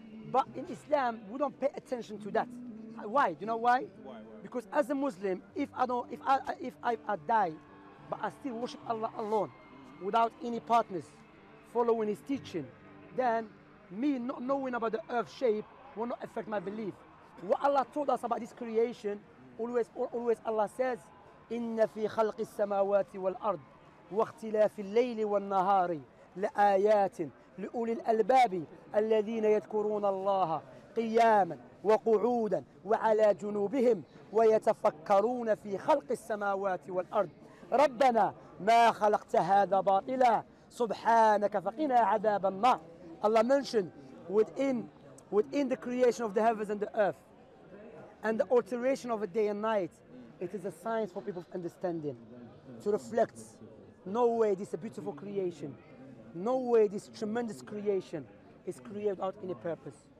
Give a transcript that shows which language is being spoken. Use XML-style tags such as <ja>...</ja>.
<en>But in Islam, we don't pay attention to that. Why? Do you know why? Because as a Muslim, if I die, but I still worship Allah alone, without any partners, following his teaching, then me not knowing about the earth shape will not affect my belief. What Allah told us about this creation, always Allah says,</en> <ar>إِنَّ فِي خَلْقِ السَّمَاوَاتِ وَالْأَرْضِ واختلاف الليل والنهار لآيات لأولي الألباب الذين يذكرون الله قياما وقعودا وعلى جنوبهم ويتفكرون في خلق السماوات والأرض ربنا ما خلقت هذا باطلا سبحانك فقنا عذاب النار.</ar> <en>Allah mentioned within the creation of the heavens and the earth and the alteration of a day and night, it is a science for people of understanding to reflect. No way this is a beautiful creation. No way this tremendous creation is created without any purpose.</en>